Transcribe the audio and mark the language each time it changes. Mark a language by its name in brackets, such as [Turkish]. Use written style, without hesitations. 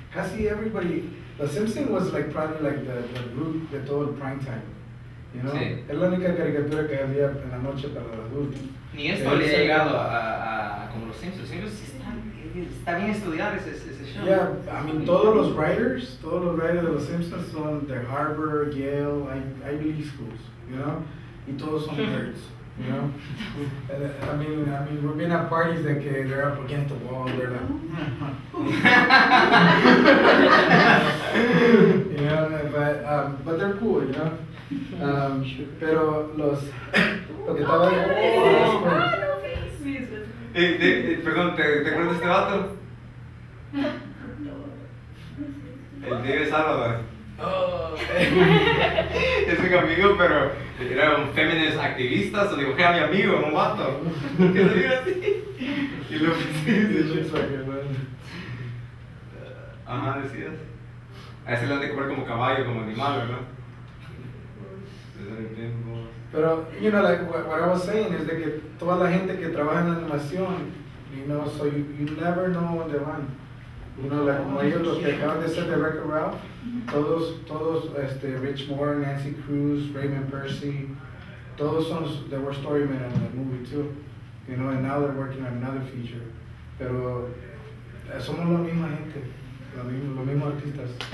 [English] Casi everybody, The Simpsons was like probably like the root de todo el prime time, you know? Sí. [Spanish] Es la única caricatura que había en la noche para los adultos. Ni esto le ha llegado a como los Simpsons. Está bien estudiado ese show. Yeah, I mean, todos los writers de los Simpsons son de Harvard, Yale, Ivy League schools, you know? Y todos son nerds, you know? [English] I mean, we've been at parties that they're up against the wall, they're like, you know, but they're cool, you know? [Spanish] Pero los... Okay, estaba [English] ahí. Oh, no, please, please, please. [Spanish] Perdón, ¿te acuerdas de este vato? No. El David Salvador. Oh. Es mi amigo, pero era un feminist activista, se lo dibujé a mi amigo, un vato. ¿Qué se dijo así? Y lo pensé. Ajá, decías. A ese le han de comer como caballo, como animal, ¿verdad? [English] Pero, you know, like what I was saying is that toda la gente que trabaja en animación, you know, so you never know when they run. [Spanish] You know, like, como ellos, los que acaban de ser de Wreck-It Ralph, todos, este, Rich Moore, Nancy Cruz, Raymond Percy, todos son, they were story men in the movie too. [English] You know, and now they're working on another feature. [Spanish] Pero, somos la misma gente, los mismos artistas.